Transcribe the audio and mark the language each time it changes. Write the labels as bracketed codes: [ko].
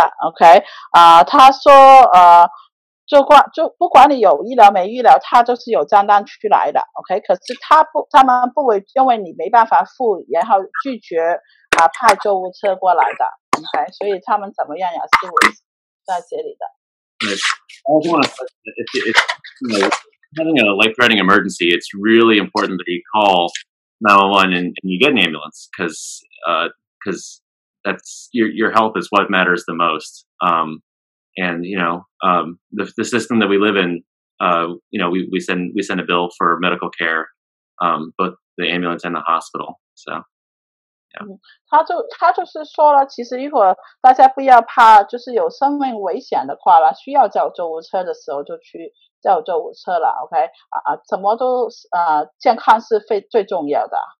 [zh] OK，他说。就不管你有医疗没医疗，他都是有账单出来的 ，OK？可是他们不会因为你没办法付，然后拒绝派救护车过来的 ，OK？所以他们怎么样也是在这里的。 [en] If having a life-threatening emergency, it's really important that you call 911 and you get an ambulance because that's your health is what matters the most. The system that we live in, we send a bill for medical care, both the ambulance and the hospital. So, yeah. [zh] 他就是说了，其实如果大家不要怕，就是有生命危险的话了，需要叫救护车的时候就去叫救护车了。 OK， 什么都健康是最重要的。